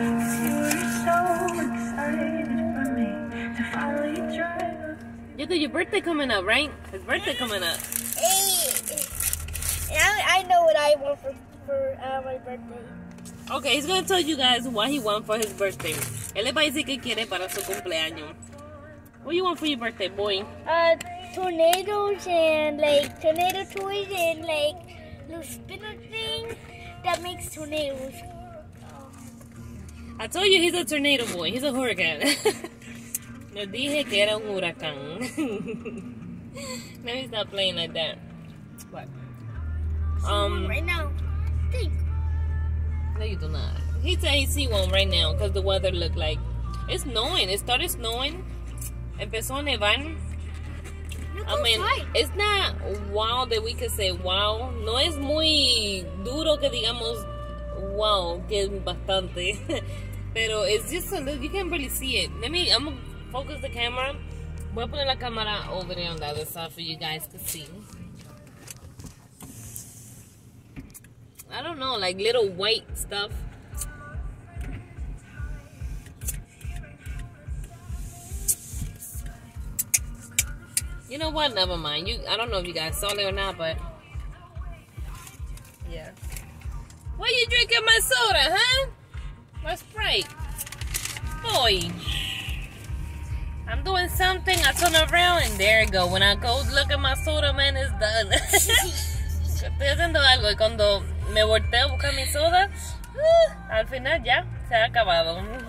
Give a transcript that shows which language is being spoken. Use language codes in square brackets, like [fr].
[en] You were so excited for me to finally drive up. You got your birthday coming up, right? His birthday coming up. Hey. I know what I want for my birthday. Okay, he's gonna tell you guys what he wants for his birthday. [es] Él le va a decir que quiere para su cumpleaños. [en] What do you want for your birthday, boy? Tornadoes and like tornado toys and like little spinner thing that makes tornadoes. I told you he's a tornado boy. He's a hurricane. [es] Me dije que era un huracán. [en] Let me stop playing like that. What? Right now. Think. No, you do not. He said he see one right now because the weather looked like it's snowing. It started snowing. [es] Empezó a nevar. [en] It's not wow that we could say wow. No es muy duro que digamos wow, que es bastante. Pero it's just a little, you can barely see it. I'm going to focus the camera. [es] Voy a poner la cámara [en] over there on the other side for you guys to see. I don't know, like little white stuff. You know what? Never mind. I don't know if you guys saw it or not, but yeah. Why you drinking my soda, huh? My Sprite, boy. I'm doing something. I turn around and there it go. When I go look at my soda, man, it's done. [es] Estoy haciendo algo y cuando me volteo a buscar mi soda, al final ya se ha acabado.